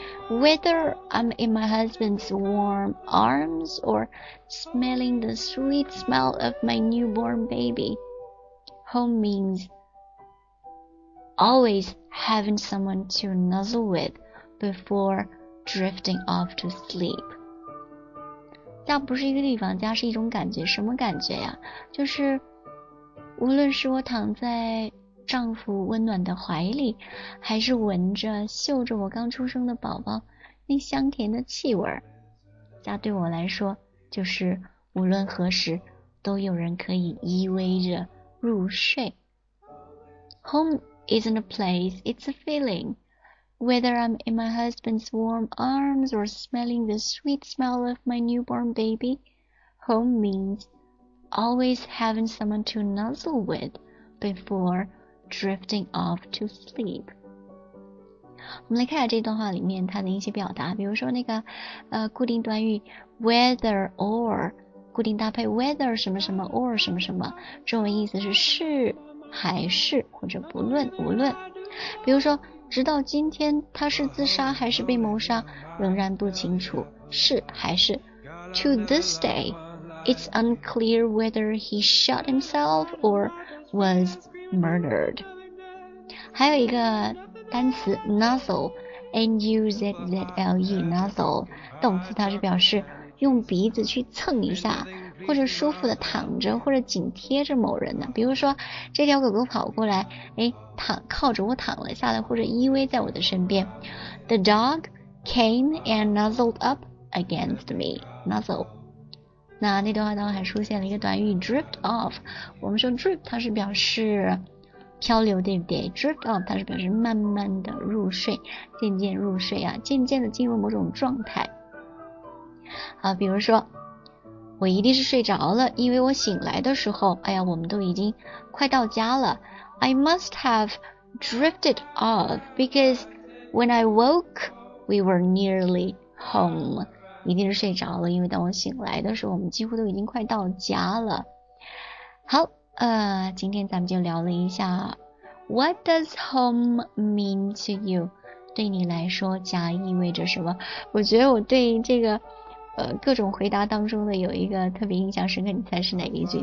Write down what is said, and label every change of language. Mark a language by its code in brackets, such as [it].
[en] Whether I'm in my husband's warm arms or smelling the sweet smell of my newborn baby, home means always having someone to nuzzle with before drifting off to sleep. [zh] 家不是一个地方，家是一种感觉。什么感觉呀？就是无论是我躺在丈夫温暖的怀里，还是闻着嗅着我刚出生的宝宝那香甜的气味，家对我来说就是无论何时都有人可以依偎着入睡。 [en] Home isn't a place, it's a feeling. Whether I'm in my husband's warm arms or smelling the sweet smell of my newborn baby, home means always having someone to nuzzle with beforedrifting off to sleep。 [zh] 我们来看一下这段话里面它的一些表达，比如说那个固定短语 whether or， 固定搭配 whether 什么什么 or 什么什么，中文意思是是还是或者不论无论。比如说直到今天他是自杀还是被谋杀仍然不清楚，是还是。 [en] To this day it's unclear whether he shot himself or wasmurdered。 [zh] 还有一个单词 nuzzle， N-U-Z-Z-L-E nuzzle， 动词它是表示用鼻子去蹭一下，或者舒服的躺着或者紧贴着某人的。比如说这条狗狗跑过来，躺靠着我躺了下来，或者依偎在我的身边。 [en] The dog came and nuzzled up against me nuzzle。 [zh] 那那段话当中还出现了一个短语 drift off， 我们说 drift 它是表示漂流，对不对？ drift off 它是表示慢慢的入睡，渐渐入睡啊，渐渐的进入某种状态。好，比如说我一定是睡着了，因为我醒来的时候，哎呀，我们都已经快到家了。 [en] I must have drifted off because when I woke we were nearly home。 [zh] 一定是睡着了，因为当我醒来的时候我们几乎都已经快到家了。好，今天咱们就聊了一下 [en] What does home mean to you， [zh] 对你来说家意味着什么。我觉得我对这个各种回答当中的有一个特别印象深刻，你猜是哪一句？